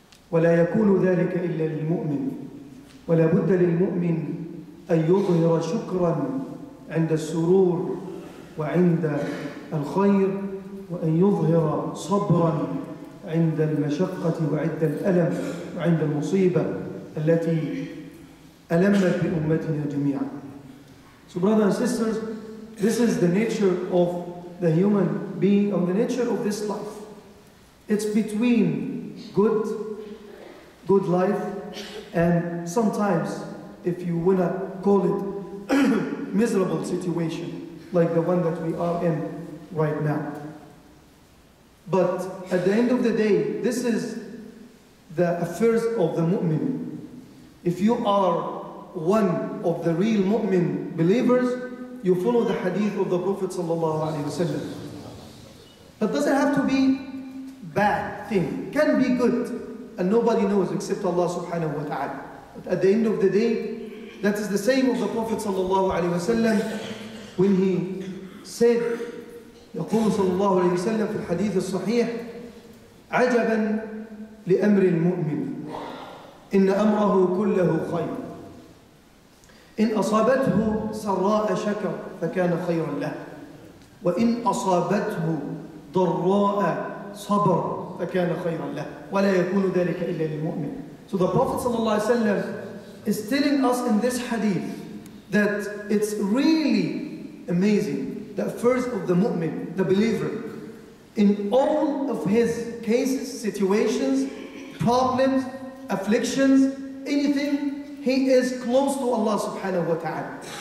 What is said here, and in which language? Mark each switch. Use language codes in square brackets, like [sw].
[ar] ولا يكون ذلك إلا للمؤمن ولا بد للمؤمن أن يظهر شكراً عند السرور وعند الخير وأن يظهر صبراً عند المشقة وعند الألم وعند المصيبة التي ألمت بأمتنا جميعاً. [en] So brothers and sisters, this is the nature of the human being, of the nature of this life. It's between good life and sometimes if you wanna call it miserable situation like the one that we are in right now. But at the end of the day, this is the affairs of the mu'min. If you are one of the real mu'min believers, you follow the hadith of the Prophet sallallahu alaihi wasallam. But doesn't have to be bad thing. Can be good, and nobody knows except Allah subhanahu wa ta'ala. But at the end of the day, that is the same of the Prophet sallallahu alaihi wasallam when he said. [ar] يقول صلى الله عليه وسلم في الحديث الصحيح عجبا لأمر المؤمن إن أمره كله خير إن أصابته سراء شكر فكان خيرا له وإن أصابته ضراء صبر فكان خيرا له ولا يكون ذلك إلا للمؤمن. [en] So the Prophet صلى الله عليه وسلم is telling us in this hadith that it's really amazing that first of the mu'min, the believer, in all of his cases, situations, problems, afflictions, anything, he is close to Allah subhanahu wa ta'ala.